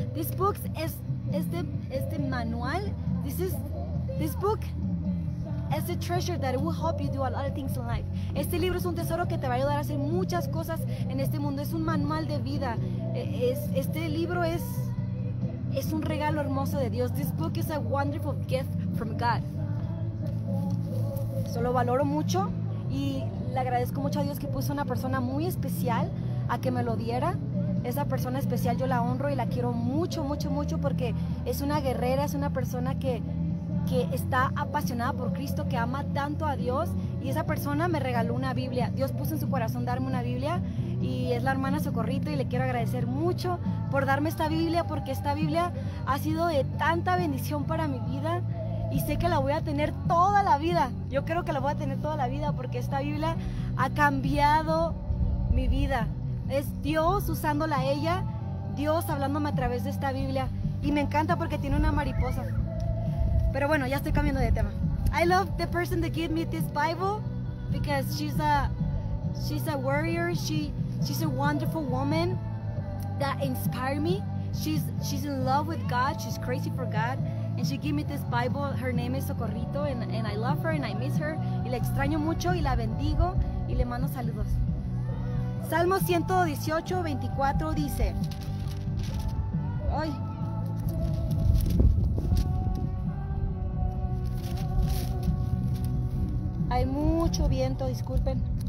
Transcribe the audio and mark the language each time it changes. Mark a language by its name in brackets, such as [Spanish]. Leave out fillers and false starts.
[English] This book is the manual. This book is a treasure that will help you do a lot of things in life. [Spanish] Este libro es un tesoro que te va a ayudar a hacer muchas cosas en este mundo. Es un manual de vida. Este libro es un regalo hermoso de Dios. [English] This book is a wonderful gift from God. [Spanish] Eso lo valoro mucho y le agradezco mucho a Dios que puso una persona muy especial a que me lo diera. Esa persona especial yo la honro y la quiero mucho, mucho, mucho porque es una guerrera, es una persona que está apasionada por Cristo, que ama tanto a Dios, y esa persona me regaló una Biblia. Dios puso en su corazón darme una Biblia, y es la hermana Socorrito, y le quiero agradecer mucho por darme esta Biblia, porque esta Biblia ha sido de tanta bendición para mi vida, y sé que la voy a tener toda la vida. Yo creo que la voy a tener toda la vida, porque esta Biblia ha cambiado mi vida. Es Dios usándola a ella, Dios hablándome a través de esta Biblia, y me encanta porque tiene una mariposa. Pero bueno, ya estoy cambiando de tema. [English] I love the person that gave me this Bible because she's a warrior. She's a wonderful woman that inspired me. She's in love with God. She's crazy for God. And she gave me this Bible. Her name is Socorrito and I love her and I miss her. [Spanish] Y la extraño mucho y la bendigo y le mando saludos. Salmo 118:24 dice. Ay. Hay mucho viento, disculpen.